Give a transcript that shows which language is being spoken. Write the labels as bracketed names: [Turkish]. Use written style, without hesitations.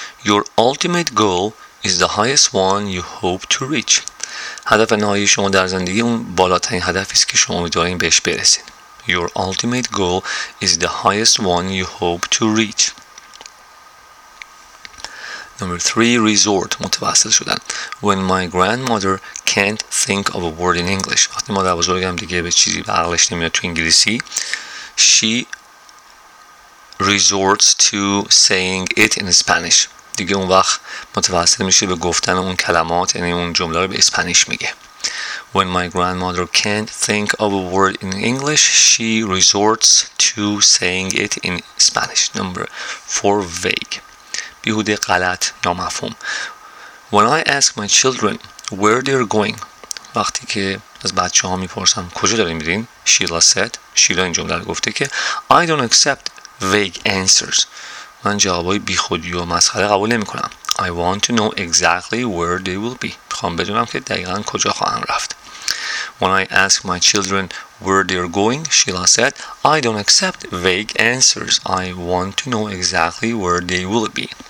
[English] Your ultimate goal is the highest one you hope to reach. [Persian] هدف نهایی شما در زندگی اون بالاترین هدفی است که شما می‌خواهید بهش برسید. [English] Your ultimate goal is the highest one you hope to reach. Number three, resort, [Persian] متوسل شدن. [English] When my grandmother can't think of a word in English. [Persian] وقتی مادر بزرگم دیگه به چیزی عقلش نمیاد تو انگلیسی. [English] She resorts to saying it in Spanish. [Persian] دیگه اون وقت متوسل میشه به گفتن اون کلمات، یعنی اون جمله رو به اسپانیش میگه. [English] When my grandmother can't think of a word in English, she resorts to saying it in Spanish. Number four, vague. [Persian] بیهوده، غلط، نامفهوم. [English] When I ask my children where they're going, [Persian] وقتی که از بچه ها میپرسم کجا داریم میرین، [English] Sheila said, Sheila [Persian] این جمله رو گفته [English] که I don't accept vague answers. [Persian] من جوابای بیخودی و مسخره قبول نمی کنم. [English] I want to know exactly where they will be. [Persian] میخوام بدونم که دقیقاً کجا خواهم رفت. [English] When I ask my children where they're going, Sheila said, I don't accept vague answers. I want to know exactly where they will be.